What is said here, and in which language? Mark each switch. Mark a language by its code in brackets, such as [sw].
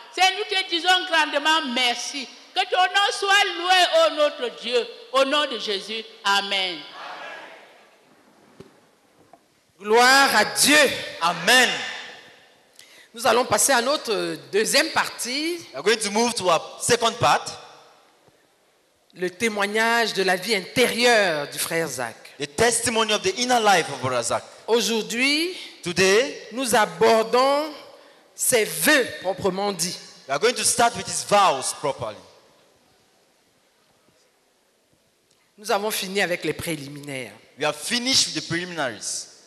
[fr] Seigneur, nous te disons grandement merci. Que ton nom soit loué, ô notre Dieu. Au nom de Jésus, amen. Gloire à Dieu. Amen. Nous allons passer à notre deuxième partie. [en] We're going to move to our second part. [fr] Le témoignage de la vie intérieure du frère Zach. [en] The testimony of the inner life of Brother Zach. [fr] Aujourd'hui, [en] today, [fr] nous abordons ses vœux proprement dit. [en] We're going to start with his vows properly. [fr] Nous avons fini avec les préliminaires. [en] We have finished with the preliminaries.